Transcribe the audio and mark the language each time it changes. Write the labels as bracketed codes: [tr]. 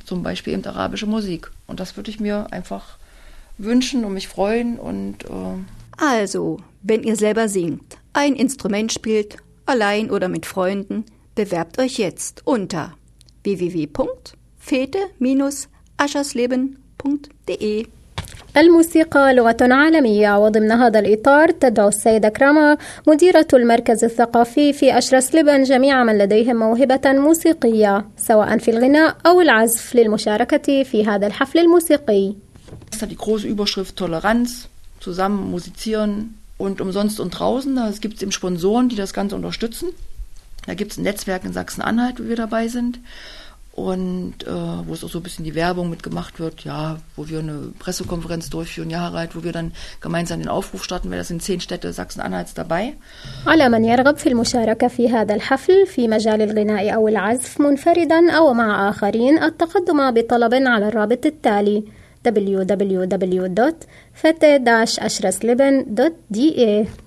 [de] Zum Beispiel eben arabische Musik. Und das würde ich mir einfach wünschen und mich freuen. Also, wenn ihr selber singt, ein Instrument spielt, allein oder mit Freunden, bewerbt euch jetzt unter www.fete-aschersleben.de. [ar] الموسيقى لغة عالمية، وضمن هذا الإطار تدعو السيدة كراما مديرة المركز الثقافي في أشرسليبن جميع من لديهم موهبة موسيقية سواء في الغناء أو العزف للمشاركة في هذا الحفل الموسيقي. [de] Das ist die große Überschrift Toleranz, zusammen musizieren. Und umsonst und draußen, da gibt es eben Sponsoren, die das Ganze unterstützen. Da gibt es ein Netzwerk in Sachsen-Anhalt, wo wir dabei sind. Und wo es auch so ein bisschen die Werbung mitgemacht wird, ja, wo wir eine Pressekonferenz durchführen, Jahrhalt, wo wir dann gemeinsam den Aufruf starten, weil das sind 10 Städte Sachsen-Anhalts dabei. Alle, man [ar] يرغب في المشاركة في هذا الحفل في مجال الغناء أو العزف منفردا أو مع آخرين، التقدم بطلب على الرابط التالي www.fete-aschersleben.de.